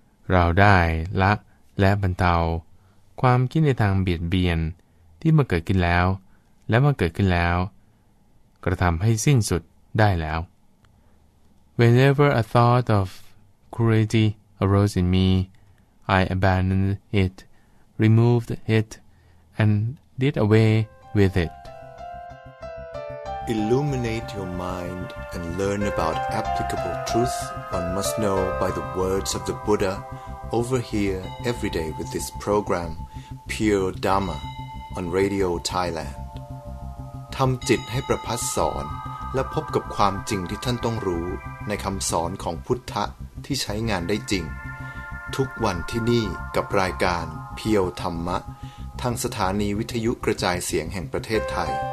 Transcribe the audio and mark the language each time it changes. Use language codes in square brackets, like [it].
[th] เราได้ละและบรรเทาความคิดในทางเบียดเบียนที่มาเกิดขึ้นแล้วและมาเกิดขึ้นแล้วกระทำให้สิ้นสุดได้แล้ว [en] Whenever a thought of cruelty arose in me, I abandoned it, removed it, and did away with it. Illuminate your mind and learn about applicable truth one must know by the words of the Buddha over here every day with this program, Pure Dharma, on Radio Thailand. [th] ทำจิตให้ประพัสสอนและพบกับความจริงที่ท่านต้องรู้ในคำสอนของพุทธะที่ใช้งานได้จริงทุกวันที่นี่กับรายการเพียวธรรมะทางสถานีวิทยุกระจายเสียงแห่งประเทศไทย